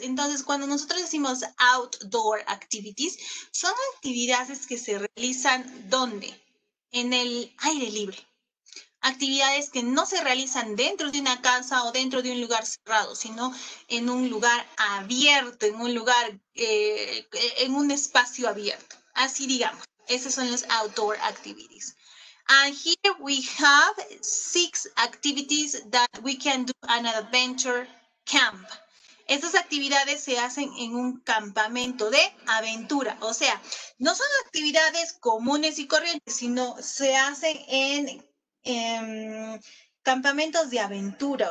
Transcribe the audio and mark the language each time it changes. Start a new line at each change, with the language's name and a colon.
Spanish: Entonces, cuando nosotros decimos outdoor activities, son actividades que se realizan ¿dónde? En el aire libre. Actividades que no se realizan dentro de una casa o dentro de un lugar cerrado, sino en un lugar abierto, en un lugar, en un espacio abierto. Así digamos, esas son las outdoor activities.
English: And here we have six activities that we can do an adventure camp.
Spanish: Estas actividades se hacen en un campamento de aventura. O sea, no son actividades comunes y corrientes, sino se hacen en campamentos de aventura.